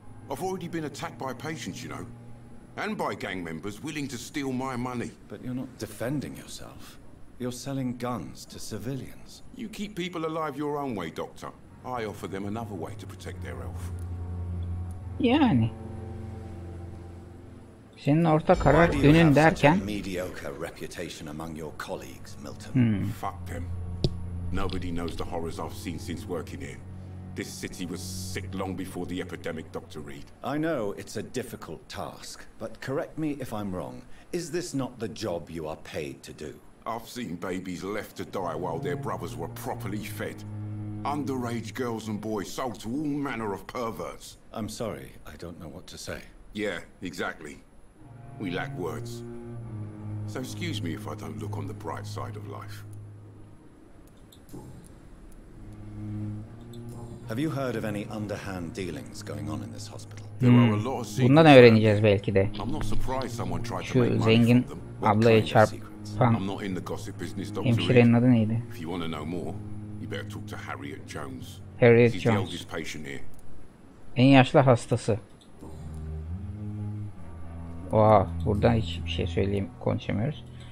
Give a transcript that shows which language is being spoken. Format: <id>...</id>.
<en>I've already been attacked by patients, you know. And by gang members willing to steal my money. But you're not defending yourself. You're selling guns to civilians. You keep people alive your own way, doctor. I offer them another way to protect their health.</en> <tr>Yani. Senin orta karar günün derken.</tr> <en>A mediocre reputation among your colleagues, Milton. Fuck them. Nobody knows the horrors I've seen since working here. This city was sick long before the epidemic, Dr. Reed. I know it's a difficult task, but correct me if I'm wrong. Is this not the job you are paid to do? I've seen babies left to die while their brothers were properly fed. Underage girls and boys sold to all manner of perverts. I'm sorry, I don't know what to say. Yeah, exactly. We lack words. So excuse me if I don't look on the bright side of life. Have you heard of any underhand dealings going on in this hospital?</en> <tr>Bundan öğreneceğiz belki de.</tr> <en>I'm not surprised someone tried to make money from them.</en> <tr>Ablaya çarpan.</tr> <en>I'm not in the gossip business, Dr.</en> <tr>Hemşirenin adı neydi?</tr> <en>If you want to know more, you better talk to Harriet Jones. Harriet She's Jones. The oldest patient here.</en> <tr>En yaşlı hastası. Oha, buradan hiçbir şey söyleyeyim, konuşamıyoruz.</tr>